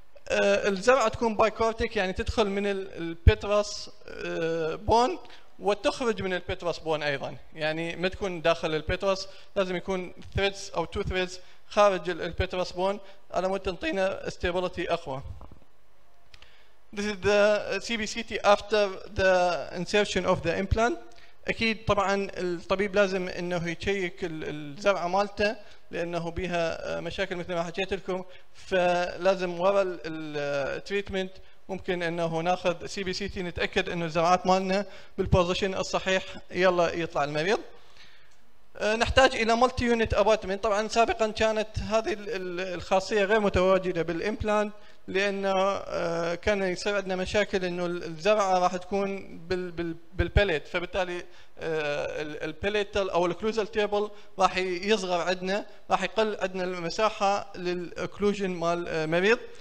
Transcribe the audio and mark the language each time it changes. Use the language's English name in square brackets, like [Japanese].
[Arabic] الزرعة تكون بايكورتيك، يعني تدخل من البيتراس بون وتخرج من البيتراس بون ايضا، يعني ما تكون داخل البيتراس، لازم يكون ثريدز او تو ثريدز خارج البيتراس بون على مود تنطينا استيبلتي اقوى. [English] This is the CBCT after the insertion of the implant. [Arabic] اكيد طبعا الطبيب لازم انه يشيك الزرعه مالته، لأنه بها مشاكل مثل ما حكيت لكم، فلازم وراء التريتمنت ممكن أنه ناخذ سي بي سي تي نتأكد أنه الزرعات مالنا بالبوزيشن الصحيح يلا يطلع المريض. نحتاج إلى مالتي يونت أبارتمنت. طبعا سابقا كانت هذه الخاصية غير متواجدة بالإمبلانت، لأنه كان يصير عندنا مشاكل أنه الزرعة راح تكون بالبليت، فبالتالي البليتل أو الكلوزل تيبل راح يصغر عندنا، راح يقل عندنا المساحة للأكلوجين مال المريض.